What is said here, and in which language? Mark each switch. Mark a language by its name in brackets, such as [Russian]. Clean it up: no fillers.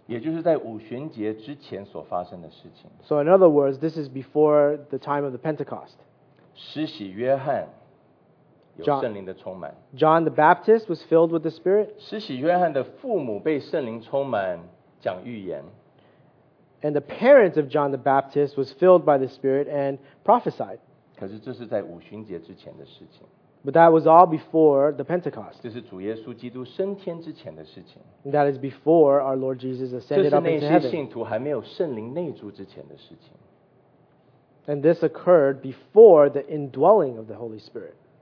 [Chinese] 也就是在五旬节之前所发生的事情。 [English] So in other words, this is before the time of the Pentecost. [Chinese] 施洗约翰有圣灵的充满。 [English] John the Baptist was filled with the Spirit. [Chinese] 施洗约翰的父母被圣灵充满讲预言。 [English] And the parents of John the Baptist was filled by the Spirit and prophesied. [Chinese] 可是这是在五旬节之前的事情。 [English] But that was all before the Pentecost. [Chinese] 这是主耶稣基督升天之前的事情。 [English] That is before our Lord Jesus ascended up into heaven. [Chinese] 这是那些信徒还没有圣灵内住之前的事情。 [English] And this occurred before the indwelling of the Holy Spirit.